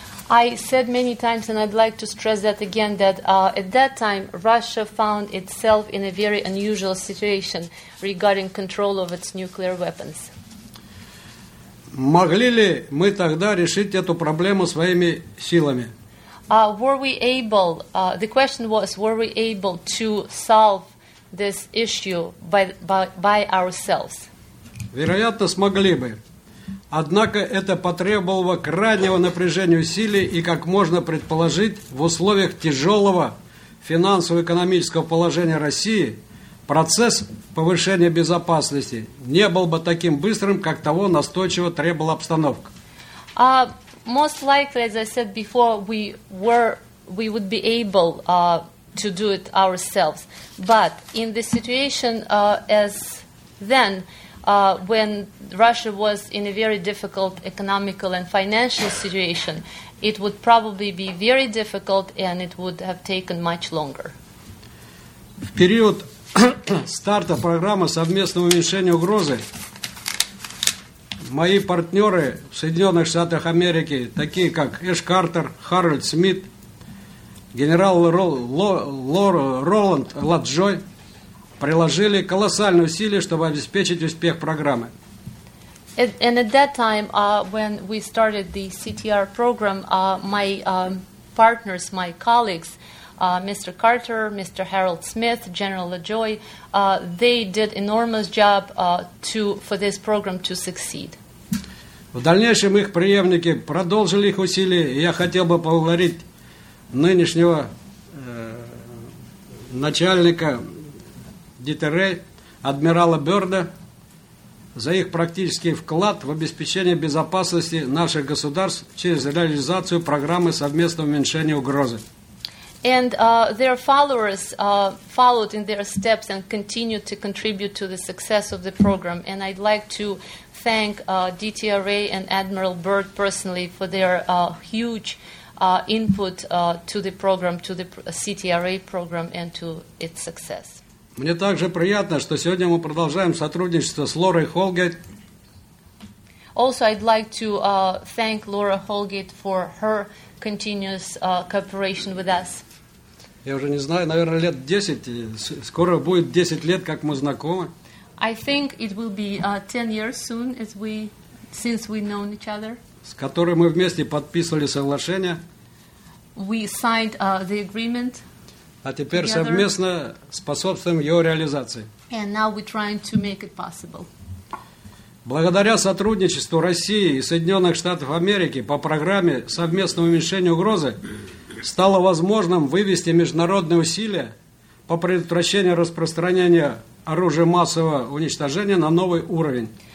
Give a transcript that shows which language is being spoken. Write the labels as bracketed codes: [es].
[en] I said many times, and I'd like to stress that again, that at that time, Russia found itself in a very unusual situation regarding control of its nuclear weapons. [ru] Могли ли мы тогда решить эту проблему своими силами? [en] Were we able to solve this issue by ourselves? [ru] Вероятно, смогли бы. Однако это потребовало крайнего напряжения усилий и, как можно предположить, в условиях тяжелого финансово-экономического положения России процесс повышения безопасности не был бы таким быстрым, как того настойчиво требовала обстановка. [en] Most likely, as I said before, we would be able to do it ourselves. But in the situation as then, when Russia was in a very difficult economical and financial situation, it would probably be very difficult and it would have taken much longer. [ru] В период старта программы совместного уменьшения угрозы мои партнеры в Соединенных Штатах Америки, такие как Эш Картер, Харольд Смит, генерал Роланд Ладжой, приложили колоссальные усилия, чтобы обеспечить успех программы. [en] And at that time, when we started the CTR program, my partners, my colleagues, Mr. Carter, Mr. Harold Smith, General LaJoy, they did enormous job for this program to succeed. [ru] В дальнейшем их преемники продолжили их усилия, и я хотел бы поблагодарить нынешнего начальника Дитере, адмирала Бёрда, за их практический вклад в обеспечение безопасности наших государств через реализацию программы совместного уменьшения угрозы. [en] And their followers followed in their steps and continued to contribute to the success of the program. And I'd like to thank DTRA and Admiral Byrd personally for their huge input to the program, to the CTRA program and to its success. [ru] Мне также приятно, что сегодня мы продолжаем сотрудничество с Лорой Холгейт. [en] Also, I'd like to thank Laura Holgate for her continuous cooperation with us. [ru] Я уже не знаю, наверное, лет 10. Скоро будет 10 лет, как мы знакомы. [en] I think it will be 10 years soon since we've known each other. [ru] С которой мы вместе подписывали соглашение. [en] We signed the agreement. [ru] А теперь [en] together, [ru] совместно способствуем его реализации. [en] And now we're trying to make it possible. [ru] Благодаря сотрудничеству России и Соединенных Штатов Америки по программе совместного уменьшения угрозы стало возможным вывести международные усилия по предотвращению распространения оружия массового уничтожения на новый уровень.